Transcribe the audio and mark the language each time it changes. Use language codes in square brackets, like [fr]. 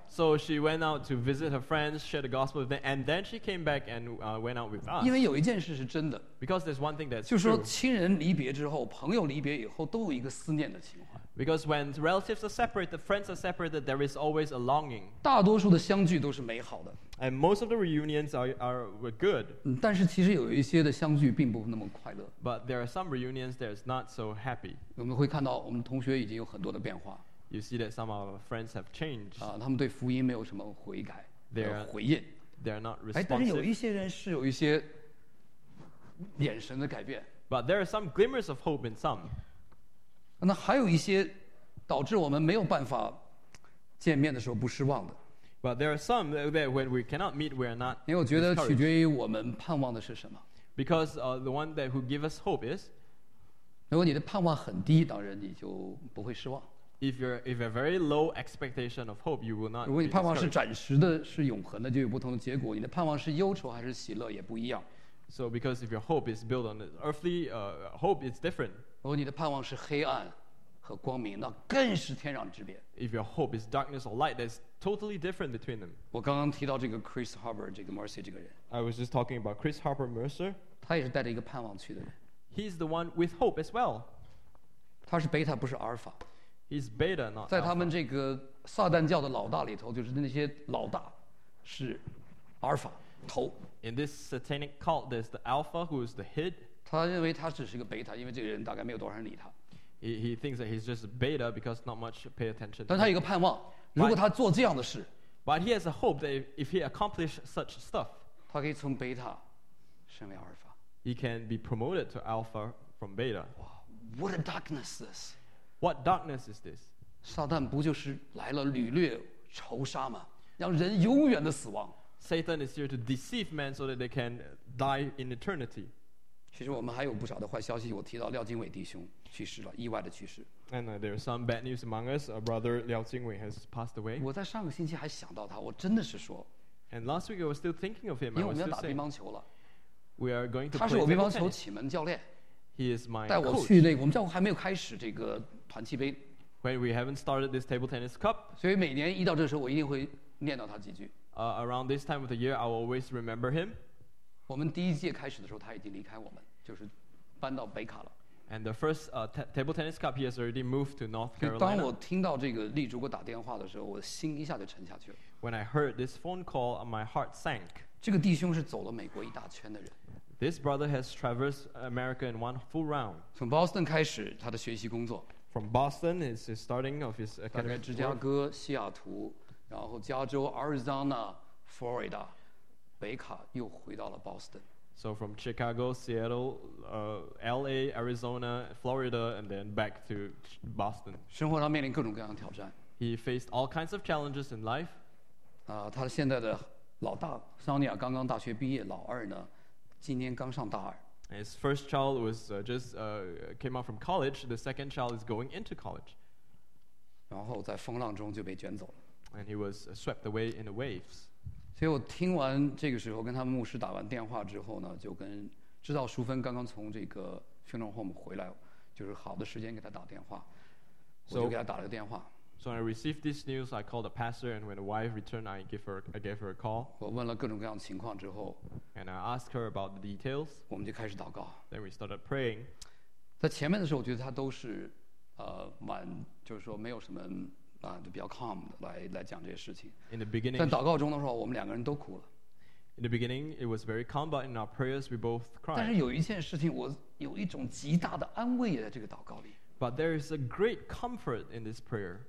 [en] So she went out to visit her friends, share the gospel with them, and then she came back and went out with us. [zh] 因为有一件事是真的。 [en] Because there's one thing that's true. [zh] 就说亲人离别之后，朋友离别以后，都有一个思念的情怀。 [en] Because when relatives are separated, friends are separated, there is always a longing. [zh] 大多数的相聚都是美好的。 [en] And most of the reunions are good. [zh] 但是其实有一些的相聚并不那么快乐。 [en] But there are some reunions that is not so happy. [zh] 我们会看到我们同学已经有很多的变化。 [en] You see that some of our friends have changed. [zh] 他们对福音没有什么悔改。回应。 [en] They are not responsive. [zh] 但是有一些人是有一些眼神的改变。 [en] But there are some glimmers of hope in some. [zh] 那还有一些导致我们没有办法见面的时候不失望的。 [en] But there are some that when we cannot meet, we are not. [zh] 因为我觉得取决于我们盼望的是什么。 [en] Because the one that who give us hope is. [zh] 如果你的盼望很低，当然你就不会失望。 [en] If you're very low expectation of hope, you will not. [zh] 如果你盼望是暂时的，是永恒的，就有不同的结果。你的盼望是忧愁还是喜乐，也不一样。 [en] So because if your hope is built on earthly hope, it's different. [zh] 如果你的盼望是黑暗。和光明，那更是天壤之别。 [en] If your hope is darkness or light, that's totally different between them. [zh] 我刚刚提到这个 Chris Harper 这个 Mercy 这个人。 [en] I was just talking about Chris Harper Mercer. [zh] 他也是带着一个盼望去的人。 [en] He's the one with hope as well. [zh] 他是 Beta 不是 Alpha. [en] He's Beta not. [zh] 在他们这个撒旦教的老大里头，就是那些老大是 Alpha。头。 [en] In this satanic cult, there's the alpha who is the head. [zh] 他认为他只是个贝塔，因为这个人大概没有多少人理他。 [en] He thinks that he's just beta because not much pay attention. [zh] 但他有一个盼望，如果他做这样的事。 [en] But he has a hope that if he accomplishes such stuff, [zh] 他可以从贝塔升为阿尔法。 [en] He can be promoted to alpha from beta. What a darkness this! What darkness is this? [zh] 撒旦不就是来了掳掠仇杀吗？让人永远的死亡。 [en] Satan is here to deceive men so that they can die in eternity. [zh] 其实我们还有不少的坏消息。我提到廖经纬弟兄去世了，意外的去世。 [en] And there is some bad news among us. Our brother Liao Jingwei has passed away. [zh] 我在上个星期还想到他，我真的是说。 [en] And last week I was still thinking of him. [zh] 因为我们要打乒乓球了。 [en] We are going to [zh] 他是我乒乓球启蒙教练。 [en] He is my coach. [zh] 带我去那个，我们教会还没有开始这个团契杯。 [en] When we haven't started this table tennis cup. [zh] 所以每年一到这时候，我一定会念叨他几句。 [en] Around this time of the year, I'll always remember him. [zh] 我们第一届开始的时候，他已经离开我们，就是搬到北卡了。 [en] And the first table tennis cup, he has already moved to North Carolina. [zh] 当我听到这个丽珠给我打电话的时候，我心一下就沉下去了。 [en] When I heard this phone call, my heart sank. [zh] 这个弟兄是走了美国一大圈的人。 [en] This brother has traversed America in one full round. [zh] 从 Boston 开始他的学习工作。 [en] From Boston, it's the starting of his academic career. [zh] 大概芝加哥、西雅图。然后加州 Arizona Florida 北卡又回到了 Boston [en] So from Chicago Seattle LA Arizona Florida and then back to Boston [zh] 生活上面临各种各样的挑战 [en] He faced all kinds of challenges in life [zh] 他现在的老大 Sonia 刚刚大学毕业老二呢今年刚上大二 [en] His first child was came out from college The second child is going into college [zh] 然后在风浪中就被卷走了 [en] And he was swept away in the waves. [zh] 所以我听完这个时候，跟他们牧师打完电话之后呢，就跟知道淑芬刚刚从这个 [en] funeral home [zh] 回来，就是好的时间给他打电话，我就给他打了个电话。 [en] So I received this news. I called the pastor, and when the wife returned, I gave her a call. [zh] 我问了各种各样的情况之后 [en] ，and I asked her about the details. [zh] 我们就开始祷告。 [en] Then we started praying. [zh] 在前面的时候，我觉得他都是蛮，就是说没有什么。就比较 calm 的来讲这些事情。 [en] In the beginning, [zh] 在祷告中的时候，我们两个人都哭了。 [en] In the beginning, it was very calm, but in our prayers, we both cried. [zh] 但是有一件事情，我有一种极大的安慰在这个祷告里。 [en] But there is a great comfort in this prayer.